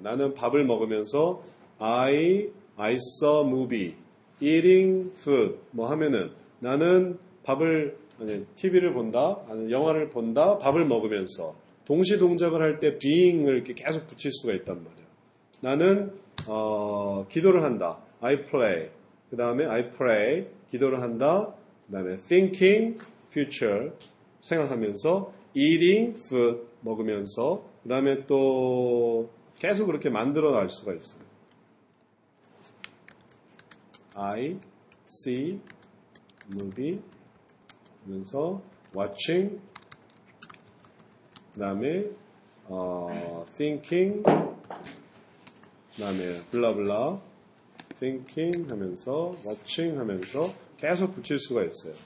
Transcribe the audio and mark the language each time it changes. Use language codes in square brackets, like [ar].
[ko] 나는 밥을 먹으면서 [en] I saw a movie, eating food [ko] 뭐 하면은 나는 밥을 아니 TV를 본다, 아니 영화를 본다, 밥을 먹으면서 동시동작을 할 때 being을 이렇게 계속 붙일 수가 있단 말이에요. 나는 기도를 한다. [en] I pray. [ko] 그 다음에 [en] I pray. [ko] 기도를 한다. 그 다음에 thinking, future. 생각하면서 eating, food. 먹으면서 그 다음에 또 계속 그렇게 만들어 갈 수가 있어요. [en] I see movie. [ko] 하면서 [en] watching. [ko] 그 다음에 thinking. 그 다음에 블라블라 thinking 하면서 watching 하면서 계속 붙일 수가 있어요.